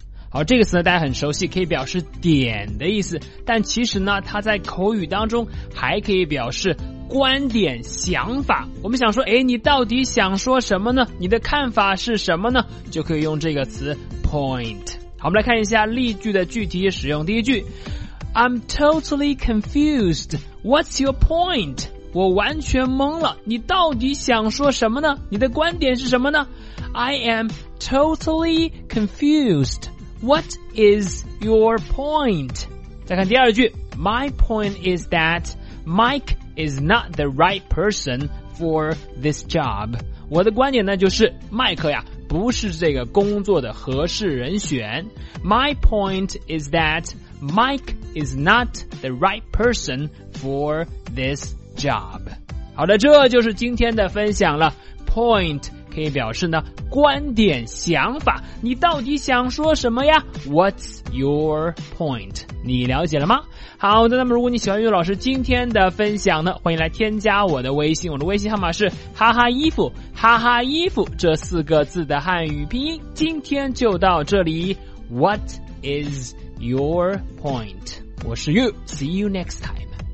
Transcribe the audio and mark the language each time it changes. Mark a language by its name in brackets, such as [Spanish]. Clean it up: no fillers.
[Chinese] 好，这个词呢大家很熟悉，可以表示点的意思，但其实呢它在口语当中还可以表示观点、想法。我们想说，诶，你到底想说什么呢？你的看法是什么呢？就可以用这个词 point。好，我们来看一下例句的具体使用。第一句， [English] I'm totally confused. What's your point? [Chinese] 我完全懵了，你到底想说什么呢？你的观点是什么呢？ [English] I am totally confused. What is your point? [Chinese] 再看第二句， [English] My point is that Mike is not the right person for this job. [Chinese] 我的观点呢就是麦克呀不是这个工作的合适人选。 [English] My point is that Mike is not the right person for this job. [Chinese] 好的，这就是今天的分享了。Point 可以表示呢观点、想法，你到底想说什么呀？ [English] What's your point? [Chinese] 你了解了吗？好的，那么如果你喜欢于老师今天的分享呢，欢迎来添加我的微信，我的微信号码是哈哈衣服，哈哈衣服这四个字的汉语拼音。今天就到这里， [English] What is your point? [Chinese] 我是 You, [English] see you next time.